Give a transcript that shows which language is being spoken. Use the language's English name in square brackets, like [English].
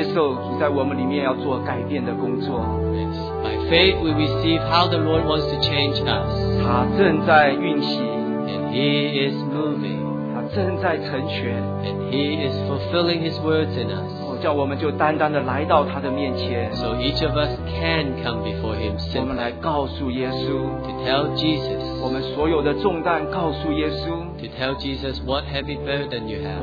[English] faith we receive how the Lord wants to change us. [Chinese] 祂正在运行 [English] And he is moving. [Chinese] 祂正在成全 [English] And he is fulfilling his words in us. [Chinese] 叫我们就单单地来到祂的面前 [English] So each of us can come before him. [Chinese] 我们来告诉耶稣 [English] To tell Jesus. [Chinese] 我们所有的重担告诉耶稣 [English] To tell Jesus what heavy burden you have.